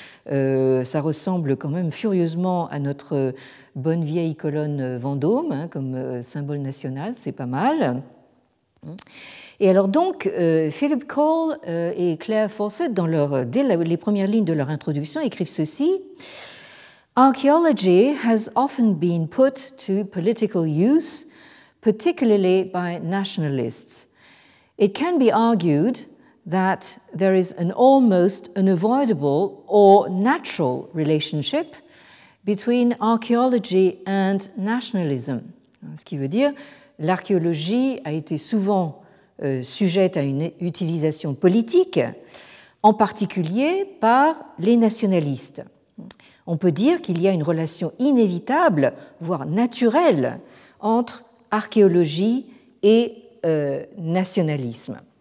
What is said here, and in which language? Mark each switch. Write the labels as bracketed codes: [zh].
[fr] Ça ressemble quand même furieusement à notre bonne vieille colonne Vendôme, hein, comme symbole national, c'est pas mal. Et alors donc, Philip Cole et Claire Fawcett, dès les premières lignes de leur introduction, écrivent ceci. [en] Archaeology has often been put to political use, particularly by nationalists. It can be argued that there is an almost unavoidable or natural relationship between archaeology and nationalism. [fr] Ce qui veut dire, l'archéologie a été souvent sujette à une utilisation politique, en particulier par les nationalistes. On peut dire qu'il y a une relation inévitable, voire naturelle, entre archéologie et nationalisme.